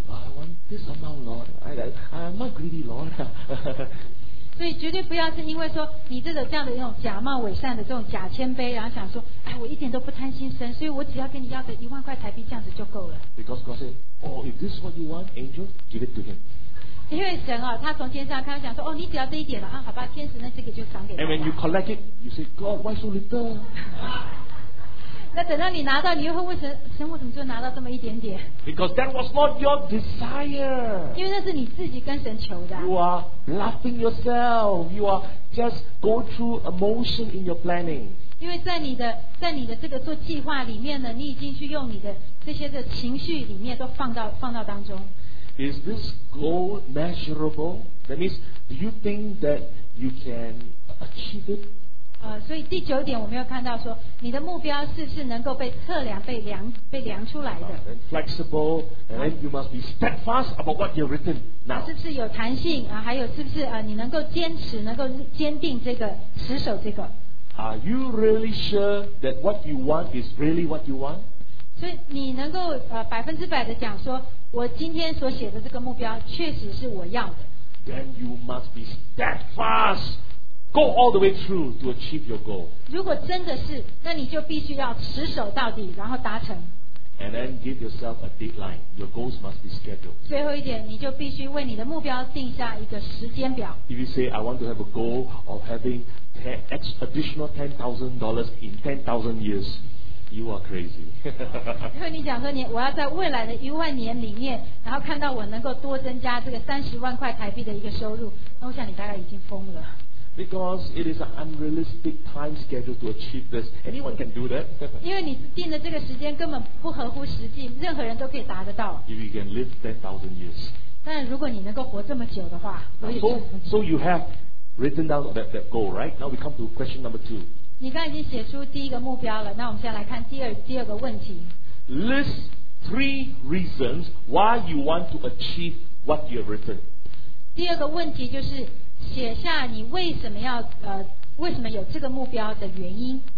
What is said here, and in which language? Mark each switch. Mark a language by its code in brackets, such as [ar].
[en] I want this amount, Lord. I'm not greedy, Lord. [zh] 所以绝对不要是因为说你这种这样的一种假冒伪善的这种假谦卑，然后想说，哎，我一点都不贪心神，所以我只要跟你要个一万块台币这样子就够了。 [en] Because God said, "Oh, if this is what you want, angel, give it to him." [zh] 因为神啊，他从天上他想说，哦，你只要这一点了啊，好吧，天使那这个就赏给你。 [en] And when you collect it, you say, "God, why so little?" [zh] 那等到你拿到，你又会问神，我怎么就拿到这么一点点 [en] ？Because that was not your desire. [zh] 因为那是你自己跟神求的。 [en] You are laughing yourself. You are just go through emotion in your planning. [zh] 因为在你的这个做计划里面呢，你已经去用你的这些的情绪里面都放到当中。 [en] Is this goal measurable? That means, do you think that you can achieve it? [zh] 所以第九点我们要看到说你的目标是不是能够被测量被量出来的 [en] and flexible and then you must be steadfast about what you've written now [zh] 是不是有弹性还有是不是你能够坚持能够坚定这个持守这个 [en] Are you really sure that what you want is really what you want? [zh] 所以你能够100%的讲说我今天所写的这个目标确实是我要的 [en] Then you must be steadfastGo all the way through to achieve your goal. [zh] 如果真的是，那你就必须要持守到底，然后达成。 [en] And then give yourself a deadline. Your goals must be scheduled. [zh] 最后一点，你就必须为你的目标定下一个时间表。 [en] If you say I want to have a goal of having additional $10,000 in 10,000 years, you are crazy. [zh] 如果你讲说你我要在未来的一万年里面，然后看到我能够多增加这个30万块台币的一个收入，那我想你大概已经疯了。 [en] Because it is an unrealistic time schedule to achieve this. Anyone can do that. [zh] 因为你定的这个时间根本不合乎实际，任何人都可以达得到。 [en] If you can live 10,000 years. [zh] 但如果你能够活这么久的话，我也。 [en] So you have written down that goal, right? Now we come to question number two. [zh] 你刚刚已经写出第一个目标了，那我们现在来看第二个问题。 [en] List three reasons why you want to achieve what you have written. [zh] 第二个问题就是。写下你为什么要为什么有这个目标的原因？